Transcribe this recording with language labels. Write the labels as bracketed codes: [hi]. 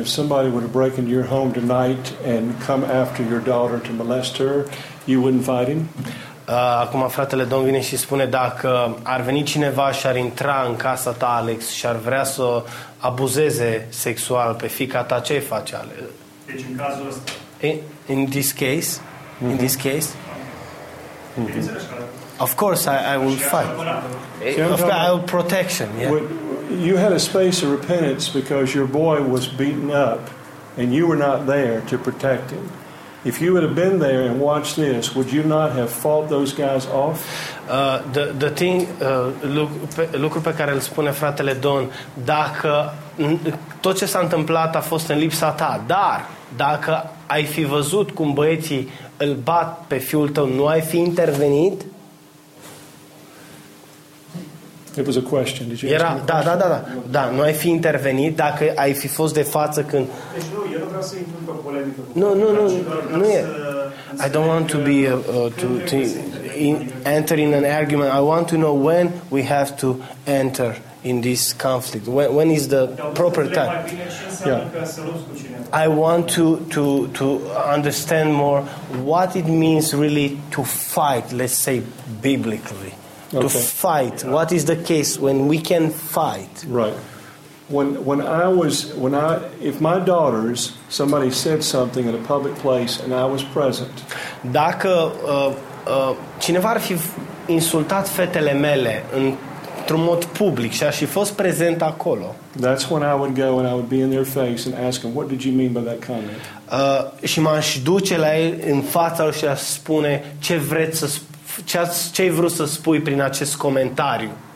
[en] If somebody were to break into your home tonight and come after your daughter to molest her, you wouldn't fight him? [ro] Acum fratele Don vine și spune dacă ar veni cineva și ar intra în casa ta, Alex, și ar vrea să abuzeze sexual pe fiica ta, ce-i face, Alex? Deci în cazul ăsta. [en] In this case. Mm-hmm. Of course, I will fight. I will protect him. Yeah. When you had a space of repentance because your boy was beaten up, and you were not there to protect him. If you would have been there and watched this, would you not have fought those guys off? [ro] Lucru pe care îl spune fratele Don, dacă tot ce s-a întâmplat a fost în lipsa ta, dar dacă ai fi văzut cum băieții îl bat pe fiul tău, nu ai fi intervenit? [en] It was a question. Did you [ro] Era, [en] question? [ro] Da. Da, nu ai fi intervenit dacă ai fi fost de față când... Deci nu, eu nu vreau să intru pe polemică. Nu e. [en] I don't want to be enter in an argument. I want to know when we have to enter in this conflict. When is the proper time? Yeah. I want to understand more what it means really to fight, let's say, biblically. Okay. To fight. What is the case when we can fight? Right. if my daughters, somebody said something in a public place and I was present. [ro] Dacă cineva ar fi insultat fetele mele într-un mod public și aș fi fost prezent acolo. [en] That's when I would go and I would be in their face and ask them, what did you mean by that comment? [ro] Și m-aș duce la ei în fața lor și aș spune ce vreți să ce ai vrut să spui prin acest comentariu.